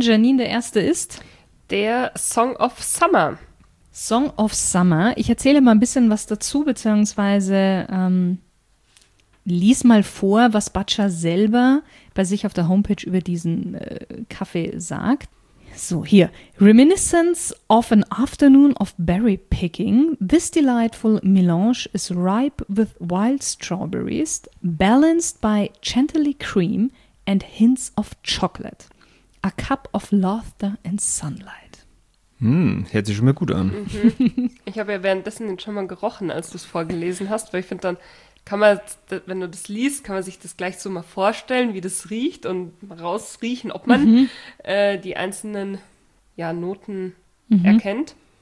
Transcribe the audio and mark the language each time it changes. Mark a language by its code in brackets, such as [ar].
[de] Janine, der erste ist? Der Song of Summer. Song of Summer. Ich erzähle mal ein bisschen was dazu, beziehungsweise lies mal vor, was Baccia selber bei sich auf der Homepage über diesen Kaffee sagt. So, hier. [en] Reminiscence of an afternoon of berry picking. This delightful melange is ripe with wild strawberries, balanced by gently cream and hints of chocolate. A cup of laughter and sunlight. [de] Hm, hört sich schon mal gut an. Mhm. Ich habe ja währenddessen den schon mal gerochen, als du es vorgelesen hast, weil ich finde dann, kann man, wenn du das liest, kann man sich das gleich so mal vorstellen, wie das riecht und rausriechen, ob man die einzelnen Noten erkennt.